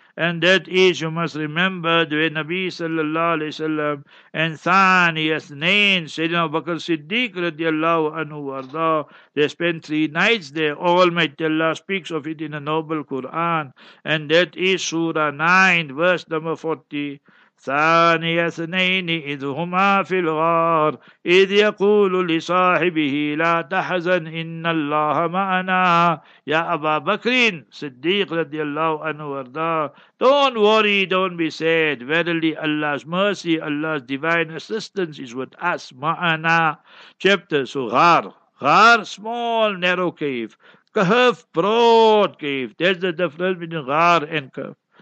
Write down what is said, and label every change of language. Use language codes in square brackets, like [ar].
[en] And that is, you must remember, the Nabi sallallahu alayhi wa sallam and Thani Athnain, Sayyidina Abu Bakr Siddiq radiallahu anhu warda, they spent 3 nights there. Almighty Allah speaks of it in the Noble Quran. And that is Surah 9, verse number 40. [ar] ثاني اثنين إذ هما في الغار إذ يقول لصاحبه لا تحزن إن الله معنا يا أبا بكر صديق رضي الله عنه وارضى. [en] Don't worry, don't be sad. Verily, Allah's mercy, Allah's divine assistance is with us. Ma'ana. Chapter, so ghar, small narrow cave. Kahf, broad cave. That's the difference between ghar and kahf.